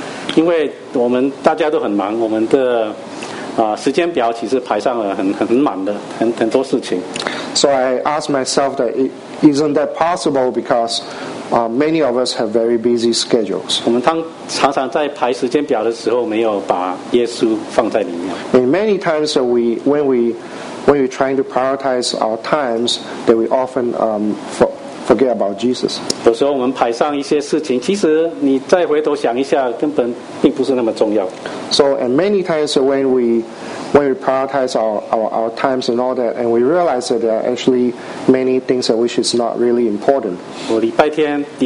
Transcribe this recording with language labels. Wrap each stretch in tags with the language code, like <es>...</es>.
<zh>我们有没有做的，可不可以做得到呢？我在问自己，其实因为我们大家都很忙，我们的 时间表其实排上了很满的，很多事情。</zh> <en>So I ask myself that isn't that possible because many of us have very busy schedules.</en> <zh>我们常常在排时间表的时候，没有把耶稣放在里面。</zh> <en>And many times when we trying to prioritize our times, that we often forget about Jesus.</en> <zh>有时候我们排上一些事情，其实你再回头想一下，根本并不是那么重要。</zh> <en>So and many times when we prioritize our times and all that, and we realize that there are actually many things that which is not really important.</en>